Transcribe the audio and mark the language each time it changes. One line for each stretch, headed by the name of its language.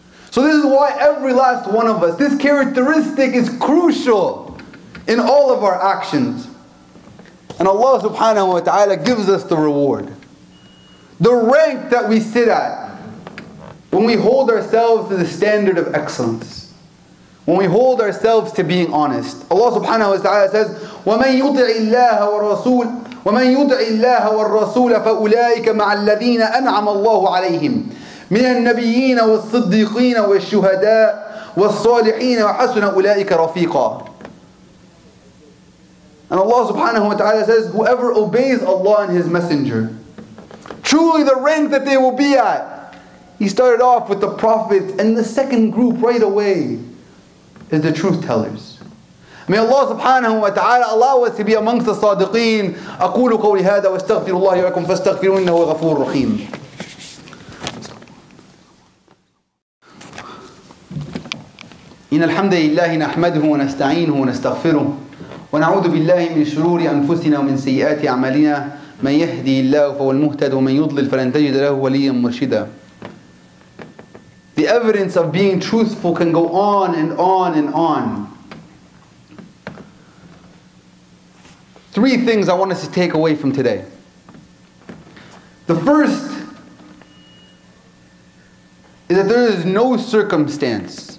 English: So this is why every last one of us, this characteristic is crucial in all of our actions. And Allah subhanahu wa ta'ala gives us the reward. The rank that we sit at when we hold ourselves to the standard of excellence. When we hold ourselves to being honest. Allah subhanahu wa ta'ala says,
Arabic: وَمَنْ يُطِعِ اللَّهَ وَالرَّسُولَ وَمَنْ يُطِعِ اللَّهَ وَالرَّسُولَ فَأُولَٰئِكَ مَعَ الَّذِينَ أَنْعَمَ اللَّهُ عَلَيْهِمْ من النبيين والصديقين والشهداء والصالحين وحسن أولئك رفيقا.
English: And Allah subhanahu wa ta'ala says, whoever obeys Allah and His Messenger, truly the rank that they will be at. He started off with the Prophet, and the second group right away is the truth tellers. May Allah subhanahu wa ta'ala allow us to be amongst the صادقين.
Arabic: أقول قولي هذا واستغفر الله لكم فاستغفروا إنه غفور رحيم. إن الحمد لله نحمده ونستعينه ونستغفره ونعوذ بالله من شرور أنفسنا ومن سيئات أعمالنا. من يهدي الله فهو المهتد ومن يضلل فلن تجد له وليا مرشدا.
English: The evidence of being truthful can go on and on and on. Three things I want us to take away from today. The first is that there is no circumstance.